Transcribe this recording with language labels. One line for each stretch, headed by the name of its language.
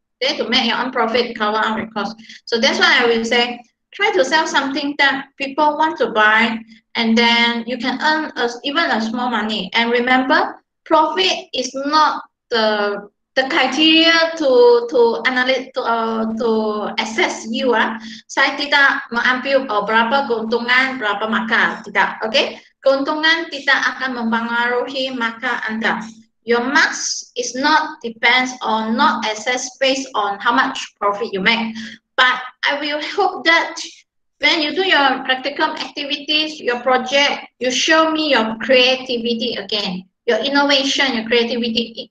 English: Okay, to make your own profit, cover out your costs. So that's why I will say, try to sell something that people want to buy, and then you can earn even a small money. And remember, profit is not the criteria to analyze to assess you.
Malay: Saya tidak mengambil berapa keuntungan, berapa maka, tidak. Okay, keuntungan tidak akan mempengaruhi maka Anda.
English: Your marks is not depends on not assess based on how much profit you make. But I will hope that when you do your practicum activities, your project, you show me your creativity again, your innovation, your creativity.